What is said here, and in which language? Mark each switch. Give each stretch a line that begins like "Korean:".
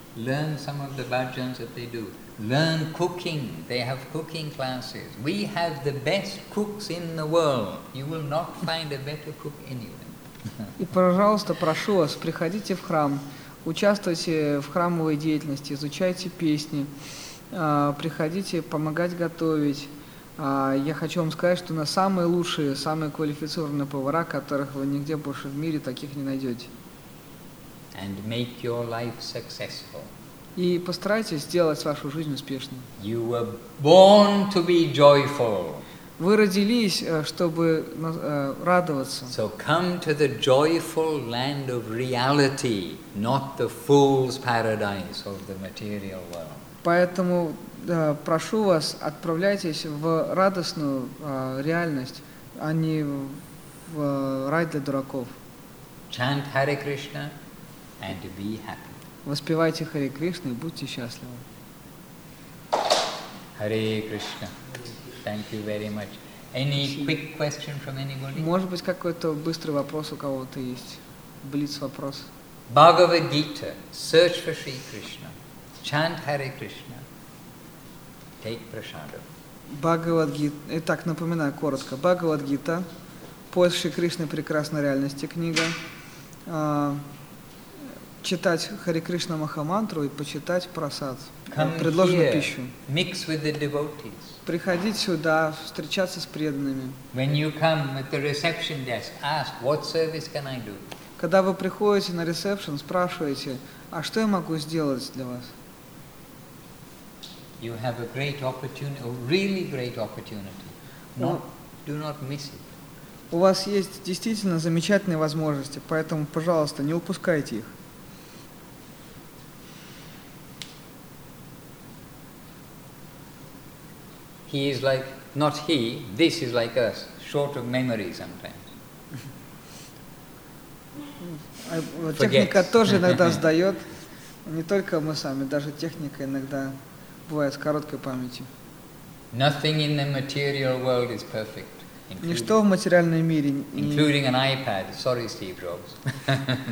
English: Learn some of the bhajans that they do. Learn cooking. They have cooking classes. We have the best cooks in the world. You will not find a better cook anywhere.
Russian: И, пожалуйста, прошу вас, приходите в храм, участвуйте в храмовой деятельности, изучайте песни, приходите помогать готовить. Я хочу вам сказать, что у нас самые лучшие, самые квалифицированные повара, которых вы нигде больше в мире таких не найдете.
English: And make your life successful.
Russian: И постарайтесь сделать вашу жизнь успешной.
English: You were born to be joyful.
Russian: Вы родились, чтобы радоваться.
English: So come to the joyful land of reality, not the fool's paradise of the material world.
Russian: Поэтому прошу вас, отправляйтесь в радостную реальность, а не в рай для дураков.
English: Chant Hare Krishna and be happy.
Russian: Воспевайте Харе Кришну и будьте счастливы.
English: Харе Кришна. Thank you very much. Any quick question from anybody?
Russian: Может быть, какой-то быстрый вопрос у кого-то есть? Блиц-вопрос.
English: Bhagavad Gita. Search for Sri Krishna. Chant Hare Krishna. Take prasadam. Bhagavad Gita.
Russian: Итак, напоминаю коротко.
English: Bhagavad Gita.
Russian: Поиск Шри Кришны прекрасной реальности книга. Читать Харе Кришна Махамантру и почитать прасад. Предложенную
English: here,
Russian: пищу.
English: Mix with the devotees.
Russian: Приходить сюда, встречаться с преданными.
English: When you come at the reception desk, ask, what service can I do?
Russian: Когда вы приходите на ресепшн, спрашиваете, а что я могу сделать для вас?
English: You have a great opportunity, a really great opportunity. Do not miss it.
Russian: У вас есть действительно замечательные возможности, поэтому, пожалуйста, не упускайте их.
English: He is like, not he, this is like us, short of memory sometimes.
Russian: Техника тоже иногда сдает. Не только мы сами, даже техника иногда бывает с короткой памятью.
English: Nothing in the material world is perfect.
Russian: Ничто в материальном мире не...
English: Including an iPad. Sorry, Steve Jobs.